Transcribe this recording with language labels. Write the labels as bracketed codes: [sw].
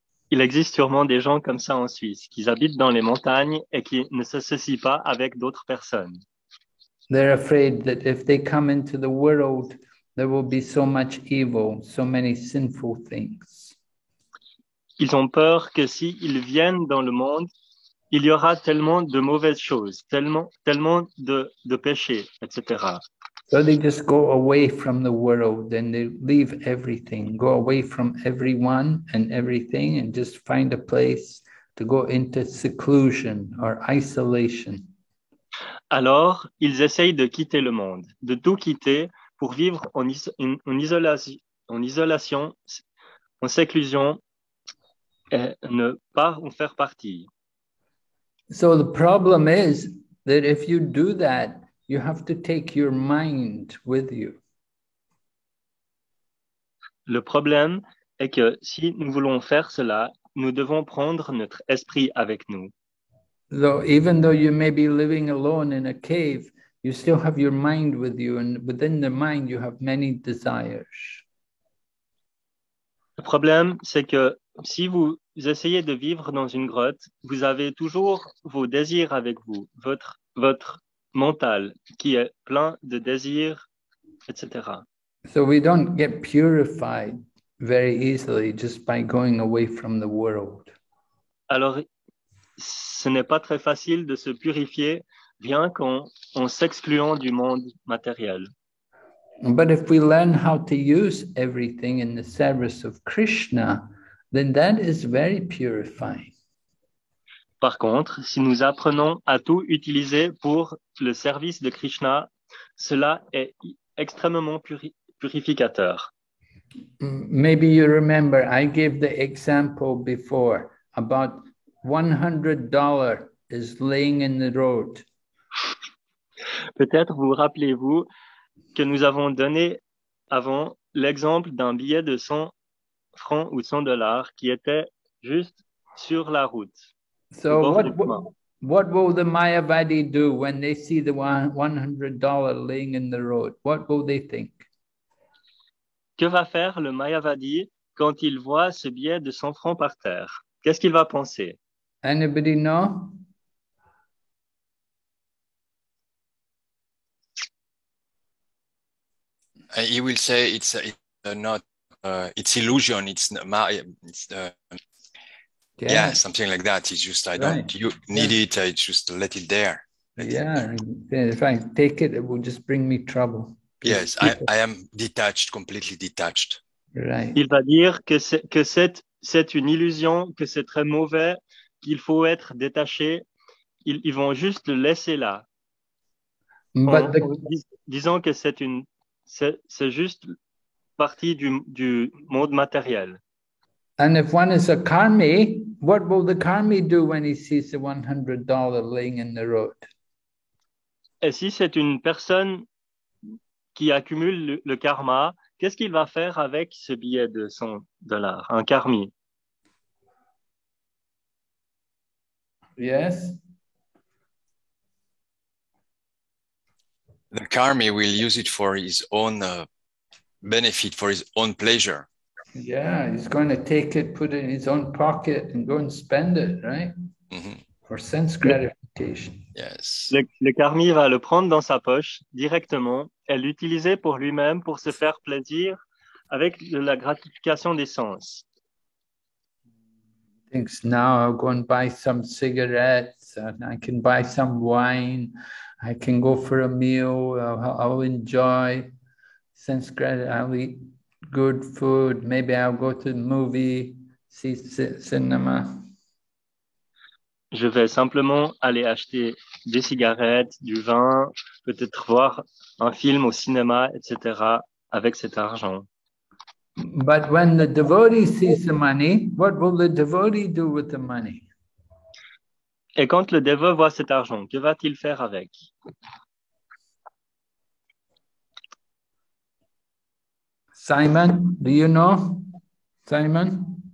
[fr] Il existe sûrement des gens comme ça en Suisse, qui habitent dans les montagnes et qui ne s'associent pas avec d'autres personnes. [en] They're afraid that if they come into the world, there will be so much evil, so many sinful things. [fr] Ils ont peur que si ils viennent dans le monde, il y aura tellement de mauvaises choses, tellement de péchés, etc. [en] So they just go away from the world and they leave everything, go away from everyone and everything and just find a place to go into seclusion or isolation. [fr] Alors, ils essayent de quitter le monde, de tout quitter pour vivre en isolation, en séclusion, et ne pas en faire partie. [en] So the problem is that if you do that, you have to take your mind with you. [fr] Le problème est que si nous voulons faire cela, nous devons prendre notre esprit avec nous. [en] Though, even though you may be living alone in a cave, you still have your mind with you, and within the mind, you have many desires. [fr] Le problème, c'est que si vous essayez de vivre dans une grotte, vous avez toujours vos désirs avec vous, votre mental qui est plein de désirs, etc. [en] So we don't get purified very easily just by going away from the world. [fr] Alors, ce n'est pas très facile de se purifier rien qu'en s'excluant du monde matériel. [en] But if we learn how to use everything in the service of Krishna, then that is very purifying. [fr] Par contre, si nous apprenons à tout utiliser pour le service de Krishna, cela est extrêmement purificateur. [en] Maybe you remember, I gave the example before about $100 is laying in the road. [fr] Peut-être vous rappelez-vous que nous avons donné avant l'exemple d'un billet de 100 francs ou 100 dollars qui était juste sur la route. [en] So what will the Mayavadi do when they see the $100 laying in the road? What will they think? [fr] Que va faire le Mayavadi quand il voit ce billet de 100 francs par terre? Qu'est-ce qu'il va penser? [en] Anybody know? He will say it's illusion. It's not my. Okay. Yeah, something like that. It's just, I don't need it. I just let it there. If I take it, it will just bring me trouble. Yes, I am detached, completely detached. Right. [fr] Il va dire que c'est une illusion, que c'est très mauvais, qu'il faut être détaché. Ils vont juste le laisser là. Disons que c'est juste partie du monde matériel. [en] And if one is a karmi, what will the karmi do when he sees the $100 laying in the road? [fr] Et si c'est une personne qui accumule le karma, qu'est-ce qu'il va faire avec ce billet de 100 dollars, un karmi? [en] Yes. The karmi will use it for his own benefit, for his own pleasure. Yeah, he's going to take it, put it in his own pocket and go and spend it, right? Mm-hmm. For sense gratification. Yes. [fr] Le karmi va le prendre dans sa poche directement et l'utiliser pour lui-même pour se faire plaisir avec la gratification des sens. [en] Thinks now I'll go and buy some cigarettes and I can buy some wine. I can go for a meal. I'll enjoy sense gratification. I'll eat good food, maybe I'll go to the movie, see cinema. [fr] Je vais simplement aller acheter des cigarettes, du vin, peut-être voir un film au cinéma, etc. avec cet argent. [en] But when the devotee sees the money, what will the devotee do with the money? [fr] Et quand le dévot voit cet argent, que va-t-il faire avec? [en] Simon, do you know? Simon?